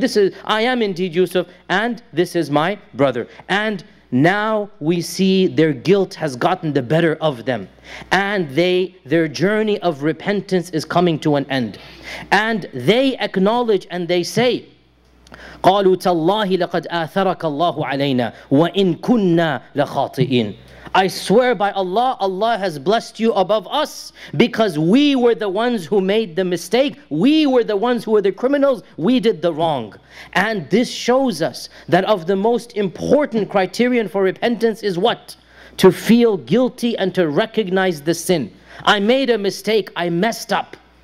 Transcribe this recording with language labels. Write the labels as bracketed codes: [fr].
[en] This is, I am indeed Yusuf, and this is my brother. And now we see their guilt has gotten the better of them. And their journey of repentance is coming to an end. And they acknowledge and they say, [ar] قالوا تالله لقد آثرك الله علينا وإن كنا لخاطئين. [en] I swear by Allah, Allah has blessed you above us because we were the ones who made the mistake. We were the ones who were the criminals. We did the wrong. And this shows us that of the most important criterion for repentance is what? To feel guilty and to recognize the sin. I made a mistake. I messed up.